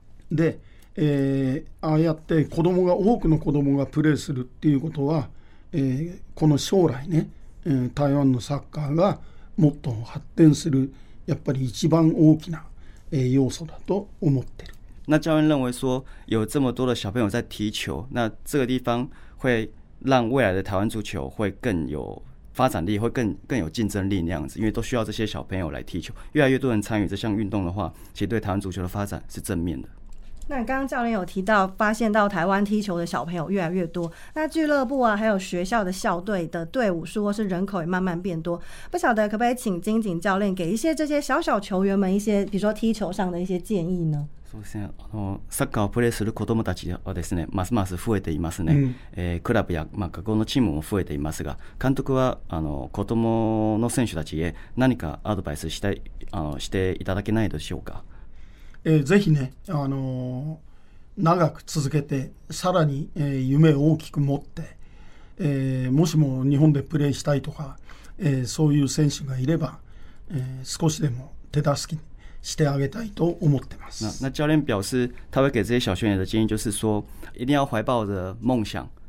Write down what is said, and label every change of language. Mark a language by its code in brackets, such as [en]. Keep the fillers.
[ja] で、ああやって子供が多くの子供がプレーするっていうことは、えこの将来ね、え台湾のサッカーがもっと発展するやっぱり一番大きな、え要素だと思ってる。 [zh] 那教练认为说，有这么多的小朋友在踢球，那这个地方会让未来的台湾足球会更有发展力，会更更有竞争力那样子，因为都需要这些小朋友来踢球，越来越多人参与这项运动的话，其实对台湾足球的发展是正面的。那刚刚教练有提到，发现到台湾踢球的小朋友越来越多，那俱乐部啊，还有学校的校队的队伍数或是人口也慢慢变多，不晓得可不可以请金井教练给一些这些小小球员们一些，比如说踢球上的一些建议呢？ [ja] 首、嗯、先，サッカーをプレーする子どもたちはですね、ますます増えていますね。え、クラブやま校のチームも増えていますが、監督はあの子どもの選手たちへ何かアドバイスしたいあのしていただけないでしょうか？えー、ぜひね、あのー、長く続けて、さらに、えー、夢を大きく持って、えー、もしも日本でプレーしたいとか、えそういう選手がいれば、え少しでも手助けしてあげたいと思ってます。 [zh] 那,那教練表示、他会给这些小学员的建议就一定要怀抱着梦想。